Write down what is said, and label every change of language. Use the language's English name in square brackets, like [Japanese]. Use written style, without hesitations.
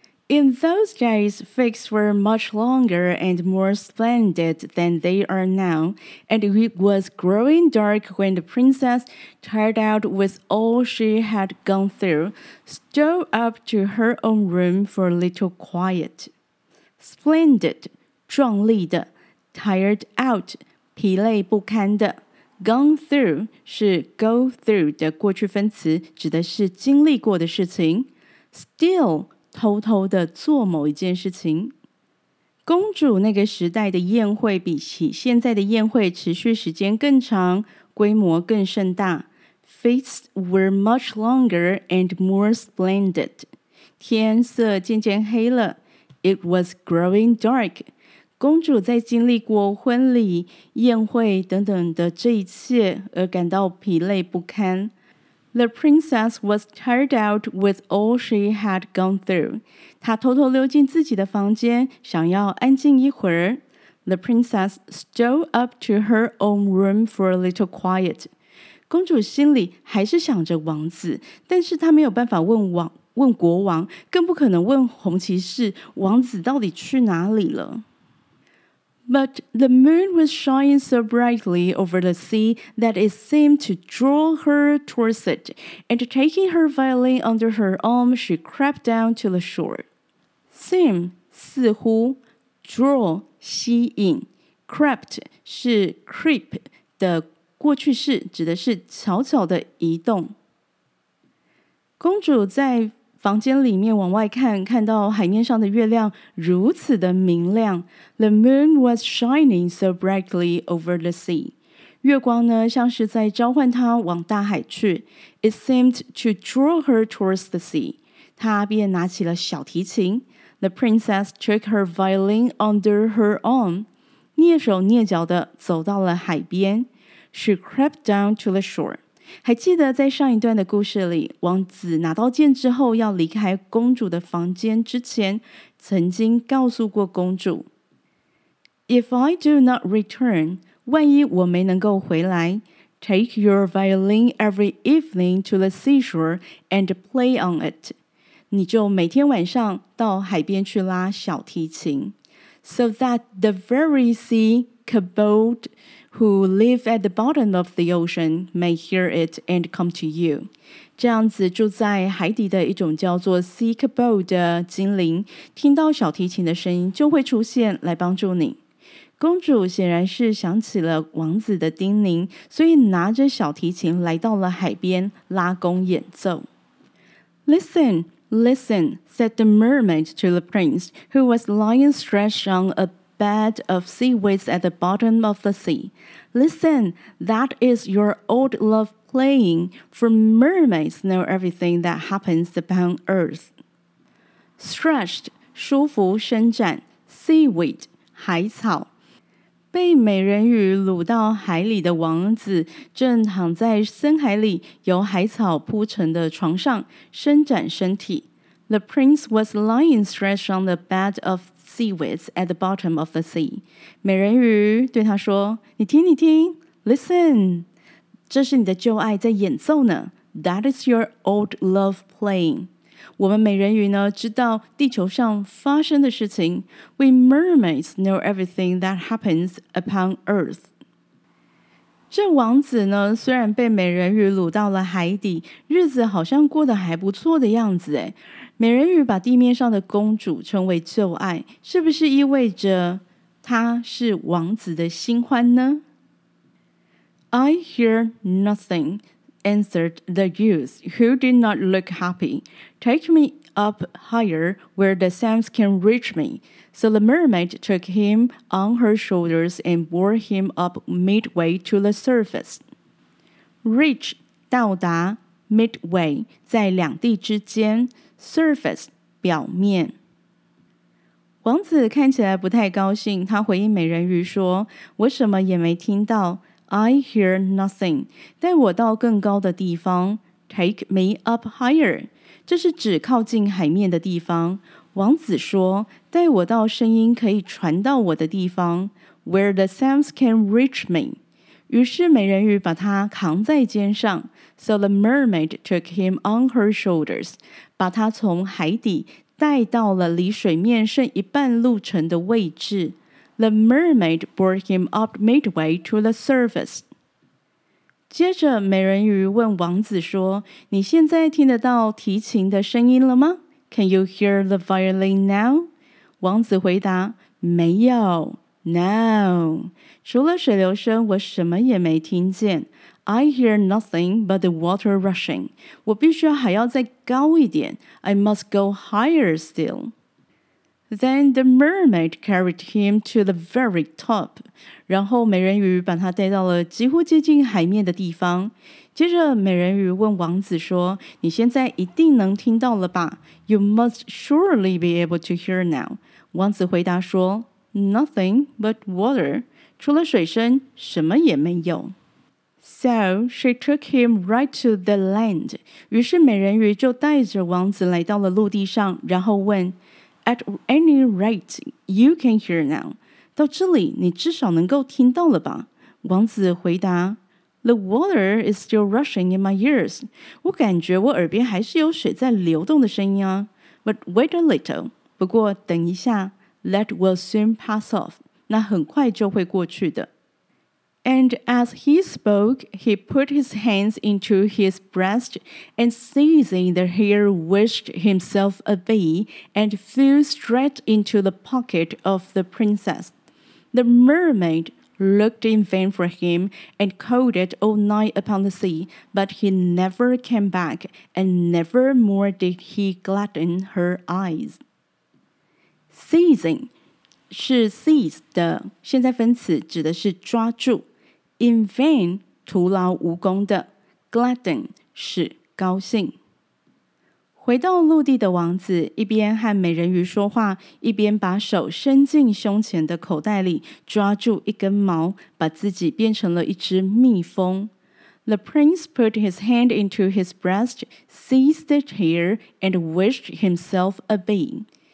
[English] In those days, feasts were much longer and more splendid than they are now, and it was growing dark when the princess, tired out with all she had gone through, stole up to her own room for a little quiet. [Chinese] Splendid, 壮丽的, tired out, 疲累不堪的, gone through, 是 go through 的过去分词,指的是经历过的事情, still,偷偷地做某一件事情公主那个时代的宴会比起现在的宴会持续时间更长规模更盛大 [English] Feasts were much longer and more splendid [Chinese] 天色渐渐黑了 [English] It was growing dark [Chinese] 公主在经历过婚礼宴会等等的这一切而感到疲累不堪 [English] The princess was tired out with all she had gone through. [Chinese] 她偷偷溜进自己的房间,想要安静一会儿。 [English] The princess stole up to her own room for a little quiet. [Chinese] 公主心里还是想着王子,但是她没有办法问国王,更不可能问红骑士,王子到底去哪里了。 [English] But the moon was shining so brightly over the sea that it seemed to draw her towards it, and taking her violin under her arm, she crept down to the shore. [Chinese] Seem, 似乎, draw, 吸引, crept, 是 creep 的过去式,指的是悄悄的移动。公主在房间里面往外看看到海面上的月亮如此的明亮 [English] The moon was shining so brightly over the sea [Chinese] 月光呢像是在召唤她往大海去 [English] It seemed to draw her towards the sea [Chinese] 她便拿起了小提琴 [English] The princess took her violin under her arm [Chinese] 蹑手蹑脚地走到了海边 [English] She crept down to the shore [Chinese] 还记得在上一段的故事里王子拿到剑之后要离开公主的房间之前曾经告诉过公主 [English] If I do not return [Chinese] 万一我没能够回来 [English] Take your violin every evening to the seashore and play on it [Chinese] 你就每天晚上到海边去拉小提琴 [English] So that the very sea could boat who live at the bottom of the ocean may hear it and come to you. [Chinese] 这样子住在海底的一种叫做 sea kobold 的精灵听到小提琴的声音就会出现来帮助你。公主显然是想起了王子的叮咛所以拿着小提琴来到了海边拉弓演奏。 [English] Listen, listen, said the mermaid to the prince who was lying stretched on a bed of seaweeds at the bottom of the sea. Listen, that is your old love playing, for mermaids know everything that happens upon earth. [Chinese] stretched 舒服伸展 seaweed 海草。被美人鱼掳到海里的王子正躺在深海里由海草铺成的床上伸展身体。 [English] The prince was lying stretched on the bed of seaweeds at the bottom of the sea. [Chinese] 美人鱼对他说，你听你听 ,listen, 这是你的旧爱在演奏呢。 [English] That is your old love playing. [Chinese] 我们美人鱼呢知道地球上发生的事情。 [English] We mermaids know everything that happens upon earth. [Chinese] 这王子呢虽然被美人鱼掳到了海底，日子好像过得还不错的样子诶。美人鱼把地面上的公主称为旧爱，是不是意味着她是王子的新欢呢？ [English] I hear nothing. Answered the youth, who did not look happy. Take me up higher where the sounds can reach me. So the mermaid took him on her shoulders and bore him up midway to the surface. [Chinese] Reach, 到达 midway, 在两地之间 surface, 表面。王子看起来不太高兴，他回应美人鱼说，我什么也没听到。 [English] I hear nothing. [Chinese] 带我到更高的地方。 [English] Take me up higher. [Chinese] 这是指靠近海面的地方。王子说，带我到声音可以传到我的地方。 [English] Where the sounds can reach me. [Chinese] 于是美人鱼把他扛在肩上。 [English] So the mermaid took him on her shoulders. [Chinese] 把他从海底带到了离水面剩一半路程的位置。 [English] The mermaid bore him up midway to the surface. [Chinese] 接着美人鱼问王子说，你现在听得到提琴的声音了吗？ [English] Can you hear the violin now? [Chinese] 王子回答，没有， [English] No. [Chinese] 除了水流声，我什么也没听见。 [English] I hear nothing but the water rushing. [Chinese] 我必须还要再高一点。 [English] I must go higher still. Then the mermaid carried him to the very top. [Chinese] 然后美人鱼把他带到了几乎接近海面的地方。接着美人鱼问王子说，你现在一定能听到了吧？ [English] You must surely be able to hear now. [Chinese] 王子回答说， [English] Nothing but water. [Chinese] 除了水声，什么也没有。 [English] So she took him right to the land. [Chinese] 于是美人鱼就带着王子来到了陆地上，然后问， [English] At any rate, you can hear now. [Chinese] 到这里你至少能够听到了吧？王子回答， [English] The water is still rushing in my ears. [Chinese] 我感觉我耳边还是有水在流动的声音啊。 [English] But wait a little. [Chinese] 不过等一下， [English] That will soon pass off. [Chinese] 那很快就会过去的。 [English] And as he spoke, he put his hands into his breast and seizing the hare wished himself a bee and flew straight into the pocket of the princess. The mermaid looked in vain for him and coasted all night upon the sea, but he never came back and never more did he gladden her eyes. [Chinese] Seizing 是 seize 的现在分词，指的是抓住。 In vain, 徒劳无功的 gladden, 是高兴。回到陆地的王子一边和美人鱼说话，一边把手伸进胸前的口袋里，抓住一根毛，把自己变成了一只蜜蜂。 [English] The prince put his hand into his breast, seized it here, and wished himself a bee.